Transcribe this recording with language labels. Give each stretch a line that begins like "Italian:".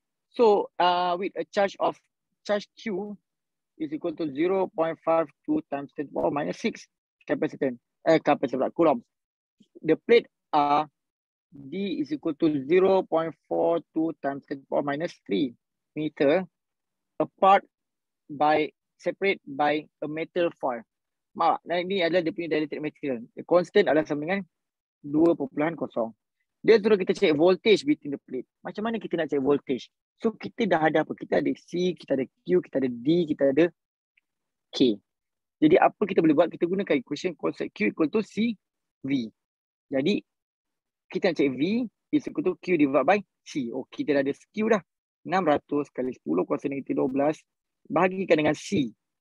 English: So, with a charge of charge Q, is equal to 0.52 × 10⁻⁶ capacitance. Coulomb. The plate D is equal to 0.42 × 10⁻³ meter apart by separate by a metal foil.
Malay: Maaf, nah ini adalah dia punya dielectric material.
English: The constant
Malay: adalah sama dengan 2.0. Dia suruh kita check voltage
English: between the plate.
Malay: Macam mana kita nak check voltage? So kita dah ada apa? Kita ada C, kita ada Q, kita ada D, kita ada K. Jadi apa kita boleh buat? Kita gunakan equation constant Q equal to C V. Jadi kita nak check V
English: is equal to Q divided by C.
Malay: Oh, kita dah ada Q dah. 600 kali 10 kuasa negatif 12 bahagikan dengan C.